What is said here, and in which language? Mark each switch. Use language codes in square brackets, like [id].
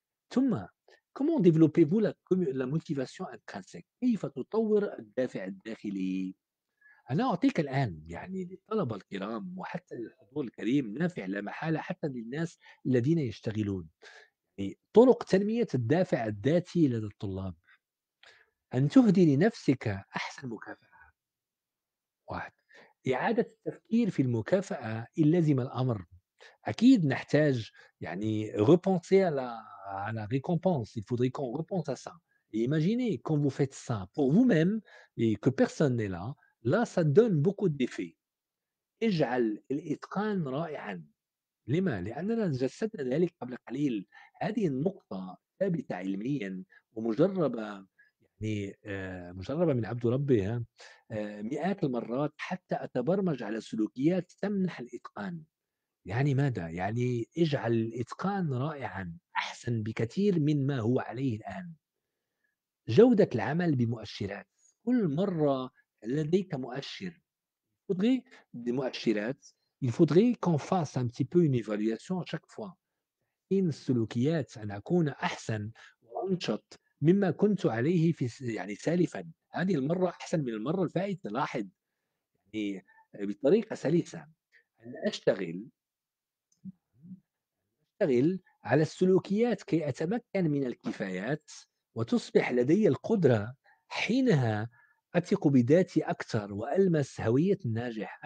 [ar] ثم [fr] comment développez-vous la motivation intrinsèque؟ [ar] كيف تطور الدافع الداخلي؟ أنا أعطيك الآن يعني للطلبة الكرام وحتى للحضور الكريم نافع لا محالة حتى للناس الذين يشتغلون طرق تنمية الدافع الذاتي لدى الطلاب. أن تهدي لنفسك أحسن مكافأة. واحد، إعادة التفكير في المكافأة إن لزم الأمر. أكيد نحتاج يعني [fr] repenser à la récompense. Il faudrait qu'on repense à ça. Et imaginez quand vous faites ça pour vous-même et que personne n'est là. Là, ça donne beaucoup d'effet. [ar] اجعل الإتقان رائعاً. لما؟ لأننا جسدنا ذلك قبل قليل. هذه النقطة ثابتة علمياً ومجربة يعني مجربة من عبد ربي مئات المرات حتى أتبرمج على سلوكيات تمنح الإتقان. يعني ماذا؟ يعني اجعل الإتقان رائعاً أحسن بكثير من ما هو عليه الآن. جودة العمل بمؤشرات. كل مرة لديك مؤشر. تضغي بمؤشرات. [fr] Il faudrait qu'on fasse un petit peu une évaluation à chaque fois. [ar] Une سلوكيات أن أكون أحسن وأنشط مما كنت عليه في يعني سالفا هذه المرة أحسن من المرة الفائتة لاحظ يعني بطريقة سلسة أن أشتغل على السلوكيات كي أتمكن من الكفايات وتصبح لدي القدرة حينها أثق بذاتي أكثر وألمس هوية الناجح.